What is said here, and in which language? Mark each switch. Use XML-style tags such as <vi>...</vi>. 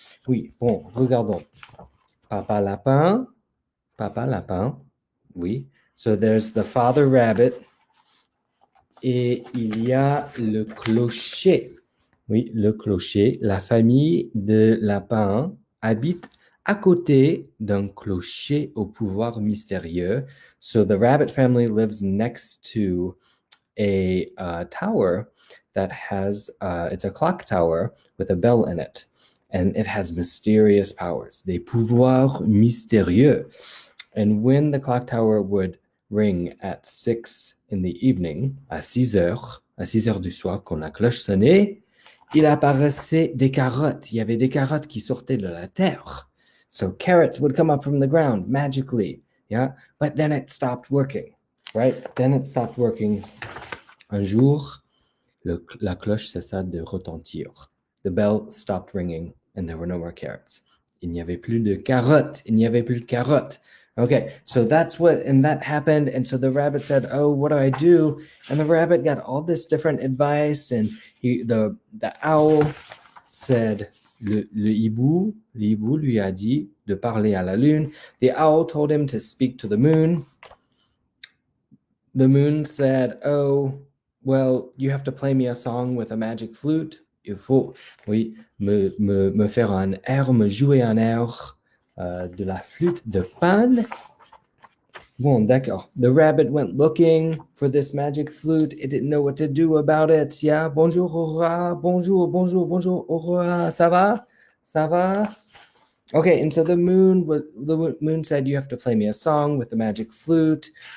<fr>Oui, bon, regardons. Papa lapin, oui.</fr> <en>So there's the father rabbit.</en> <fr>Et il y a le clocher. Oui, le clocher. La famille de lapins habite à côté d'un clocher au pouvoir mystérieux.</fr> <en>So the rabbit family lives next to a tower that has, it's a clock tower with a bell in it. And it has mysterious powers,</en> <fr>des pouvoirs mystérieux.</fr> <en>And when the clock tower would ring at 6 in the evening,</en> <fr>à 6 heures du soir, quand la cloche sonnait, il apparaissait des carottes. Il y avait des carottes qui sortaient de la terre.</fr> <en>So carrots would come up from the ground magically, yeah? But then it stopped working, right? Then it stopped working.</en> <fr>Un jour, la cloche cessa de retentir.</fr> <en>The bell stopped ringing and there were no more carrots.</en> <fr>Il n'y avait plus de carottes. Il n'y avait plus de carottes.</fr> <en>Okay, so that's what, and that happened. And so the rabbit said, "Oh, what do I do?" And the rabbit got all this different advice. And he, the owl said,</en> <fr>le hibou, l'hibou lui a dit de parler à la lune.</fr> <en>The owl told him to speak to the moon. The moon said, "Oh, well, you have to play me a song with a magic flute."</en> <fr>Il faut, oui, me faire un air, me jouer un air. De la flûte de Pan. Bon, d'accord.</fr> <en>The rabbit went looking for this magic flute. It didn't know what to do about it.</en> <fr>Yeah, bonjour, Aura. Bonjour, bonjour, bonjour, Aura. Ça va? Ça va?</fr> <en>Okay, and so the moon said, "You have to play me a song with the magic flute."</en>